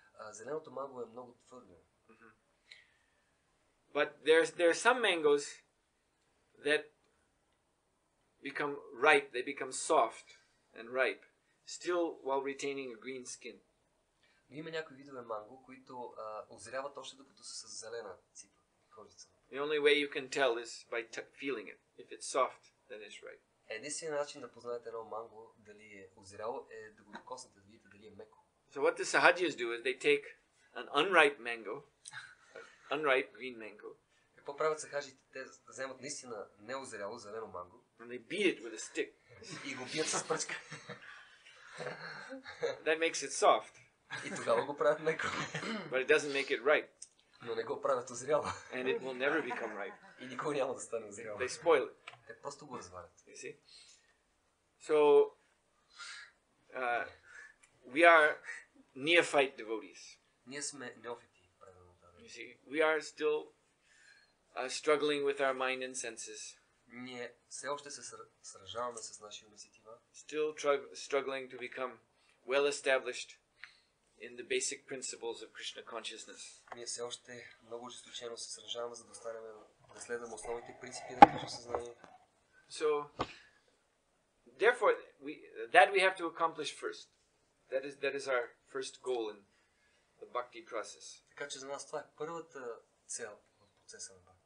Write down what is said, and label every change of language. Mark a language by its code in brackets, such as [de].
[bg] Зеленото манго е много твърдо. [en] But there are some mangoes that become ripe, they become soft and ripe, still while retaining a green skin. [bg] Но има някои видове манго, които озряват още докато са с зелена ципа. [en] The only way you can tell is by feeling it. If it's soft, then it's ripe. [bg] Единственият начин да познаете едно манго дали е озряло е да го докоснете, да видите дали е меко. [en] So what the sahajiyas do is they take an unripe mango, unripe green mango. [bg] Какво правят сахаджите? Те вземат наистина неозряло зелено манго. [en] And they beat it with a stick. [bg] И го бият с пръчка. [en] That makes it soft. [bg] И тогава го правят меко. [en] But it doesn't make it ripe. [bg] Но не го правят озряло. [en] And it will never become ripe. [bg] И никога няма да стане озряло. [en] They spoil it. [bg] Те просто го развалят. [en] You see? So, we are neophyte devotees. [bg] Ние сме неофити. [en] You see? We are still struggling with our mind and senses. [bg] Ние все още се сражаваме с нашия ум и сетива. [en] Still struggling to become well established in the basic principles of Krishna consciousness. [bg] Ние все още много ожесточено се сражаваме, за да останем да следваме основните принципи на Кришна съзнание. [en] So, therefore, we have to accomplish first. That is our first goal in the bhakti process. [bg] Така че за нас това е първата цел в процеса на бхакти.